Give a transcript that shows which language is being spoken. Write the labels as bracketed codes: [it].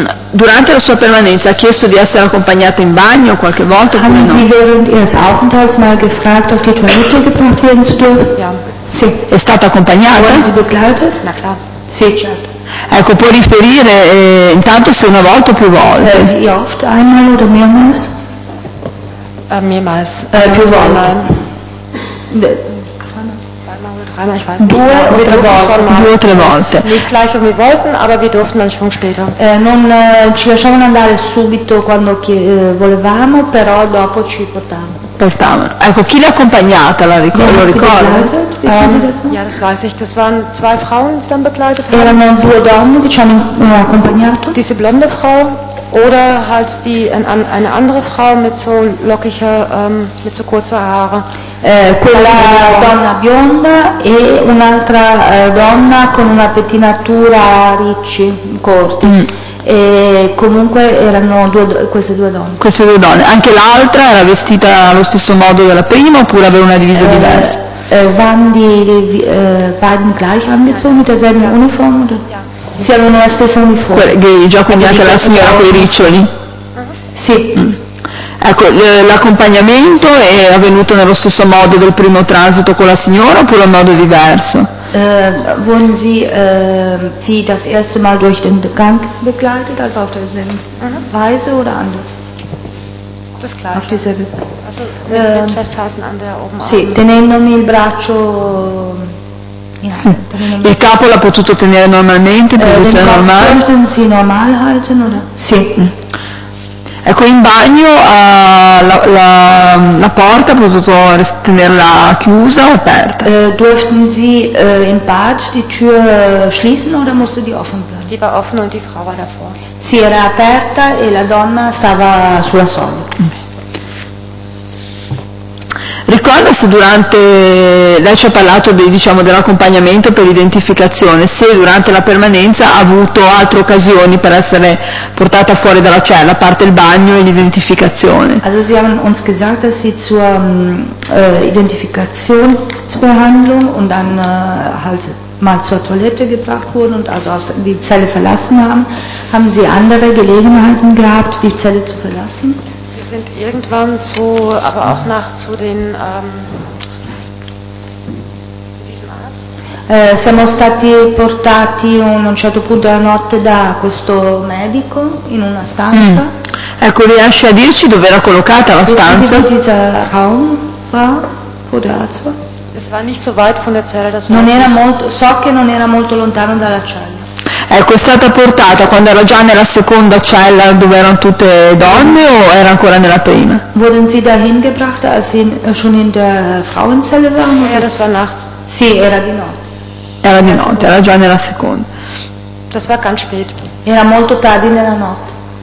[it] Durante la sua permanenza ha chiesto di essere accompagnata in bagno qualche volta. [de] Haben [it] no? [de] Sie während Ihres Aufenthalts mal gefragt, auf die Toilette gebracht werden zu dürfen? Ja. [it] Sì. È stata accompagnata? [de] Wurden Sie begleitet? Na klar. [it] Sì, certo. Ecco, può riferire intanto se una volta o più volte. [de] Wie oft? Einmal oder mehrmals? Mehrmals. [it] Più volte. Due o tre volte. [de] Nicht gleich, wie wir wollten, aber wir durften dann schon später. [it] Ci lasciavano andare subito quando volevamo, però dopo ci portavano. Ecco, chi l'ha accompagnata, la ricordo? [de] Ja, das weiß ich. Das waren zwei Frauen, die dann begleitet haben. [it] Erano due donne che ci hanno accompagnato. [de] Diese blonde Frau oder halt die eine andere Frau mit so lockiger, mit so kurzer Haare. [it] Quella donna bionda e un'altra donna con una pettinatura ricci, corti. Mm. E comunque erano queste due donne. Queste due donne. Anche l'altra era vestita allo stesso modo della prima oppure aveva una divisa diversa? [de] Waren die beiden gleich angezogen, mit derselben Uniform? Oder? Ja, [it] sì. Sì, avevano la stessa uniforme. Grigia, quindi anche la signora con i riccioli? Sì. Ecco, l'accompagnamento è avvenuto nello stesso modo del primo transito con la signora oppure in modo diverso? [de] Wurden Sie wie das erste Mal durch den Gang begleitet, also auf derselben Weise oder anders? Das gleiche. Auf dieselbe. Also mit festhalten an der oben. [it] Sì, tenendomi il braccio. Il capo l'ha potuto tenere normalmente, posizione normale. [de] Den Kopf durften Sie normal halten oder? [it] Sì. Ecco, in bagno la porta ha potuto tenerla chiusa o aperta? [de] Durften Sie im Bad die Tür schließen oder musste die offen bleiben? Die war offen und die Frau war davor. [it] Sì, era aperta e la donna stava sulla soglia. Ricorda se durante, lei ci ha parlato diciamo dell'accompagnamento per l'identificazione, se durante la permanenza ha avuto altre occasioni per essere portata fuori dalla cella, a parte il bagno e l'identificazione. [de] Also Sie haben uns gesagt, dass Sie zur Identifikationsbehandlung und dann halt mal zur Toilette gebracht wurden und also aus die Zelle verlassen haben. Haben Sie andere Gelegenheiten gehabt, die Zelle zu verlassen? Wir sind irgendwann zu, aber auch nach zu den zu diesem Arzt. [it] Siamo stati portati un certo punto della notte da questo medico in una stanza. Ecco, riesce a dirci dove era collocata la stanza? [de] Wo dieser Raum war, wo der Arzt war? Es war nicht so weit von der Zelle, das [it] non era molto, so che non era molto lontano dalla cella. Ecco, è stata portata quando era già nella seconda cella dove erano tutte donne o era ancora nella prima? [de] Wurden sie dahin gebracht, als sie schon in der Frauenzelle waren? Ja, das war nachts. [it] Sì, era di notte. Era di notte, era già nella seconda. [de] Das war ganz spät. [it] Era molto tardi nella notte.